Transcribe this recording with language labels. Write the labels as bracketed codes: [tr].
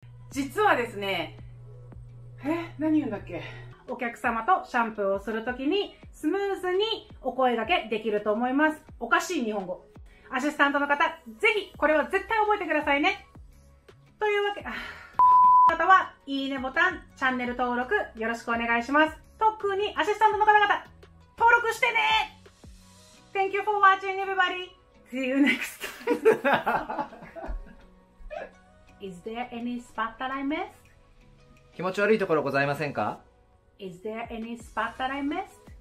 [ja] 実はですね、何言うんだっけ、お客様とシャンプーをするときにスムーズにお声掛けできると思います。おかしい日本語。アシスタントの方、ぜひこれは絶対覚えてくださいね。というわけ、方はいいねボタン、チャンネル登録よろしくお願いします。特にアシスタントの方々、登録してね。 [en] Thank you for watching everybody. See you next time. Is there any spot that I missed? [ja] 気持ち悪いところございませんか？ [en] Is there any spot that I missed?